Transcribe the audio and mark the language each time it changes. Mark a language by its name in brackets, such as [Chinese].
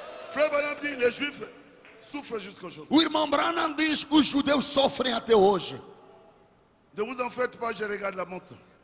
[French] Frère Branham dit, les Juifs souffrent jusqu'à aujourd'hui. [Portuguese] O irmão Branham diz, os judeus sofrem até hoje. [French] Ne vous en faites pas, je regarde la montre.